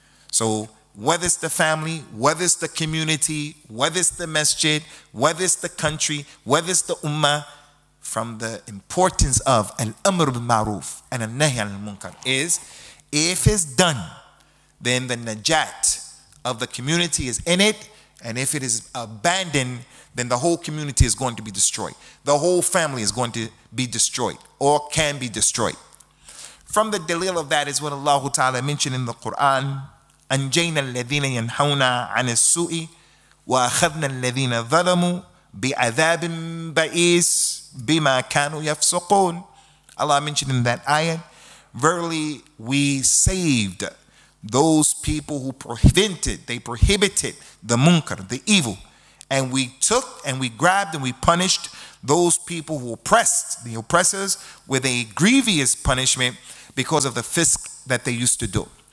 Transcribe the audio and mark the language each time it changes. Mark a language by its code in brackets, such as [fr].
[en] So whether it's the family, whether it's the community, whether it's the masjid, whether it's the country, whether it's the ummah, from the importance of al-amr bil ma'ruf and al-nahy an al-munkar is, if it's done, then the najat of the community is in it, and if it is abandoned, then the whole community is going to be destroyed. The whole family is going to be destroyed, or can be destroyed. From the dalil of that is what Allah Ta'ala mentioned in the Quran, [ar] أنجينا الذين ينهون عن السوء وأخذنا الذين ظلموا بعذاب بئيس بما كانوا يفسقون. [en] Allah mentioned in that ayat, verily we saved those people who prohibited the munkar, the evil, and we took and we grabbed and we punished those people who oppressed the oppressors with a grievous punishment because of the fisk that they used to do.